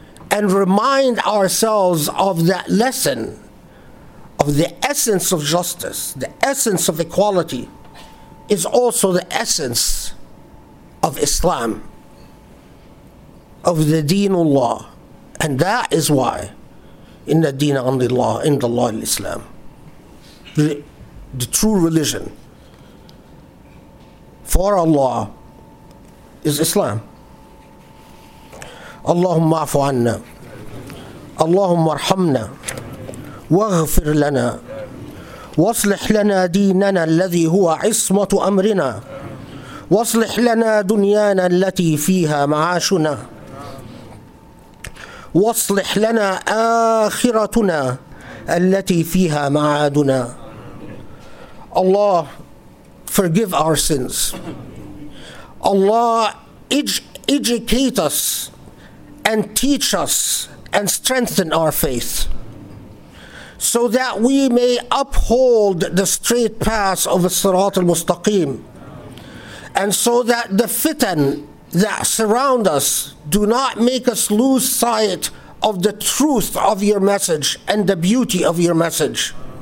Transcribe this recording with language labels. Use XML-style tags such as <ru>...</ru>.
<en>and remind ourselves of that lesson of the essence of justice, the essence of equality, is also the essence of Islam, of the Deenullah. And that is why in the Deen and the Law, in the Law of Islam, the true religion for Allah is Islam.</en> <ar>Allahumma afu anna, Allahumma arhamna, واغفر لنا واصلح لنا ديننا الذي هو عصمة أمرنا واصلح لنا دنيانا التي فيها معاشنا واصلح لنا آخرتنا التي فيها معادنا.</ar> <en>Allah, forgive our sins. Allah, educate us and teach us and strengthen our faith, so that we may uphold the straight path of the Sirat al-Mustaqim, and so that the fitan that surround us do not make us lose sight of the truth of your message and the beauty of your message.</en>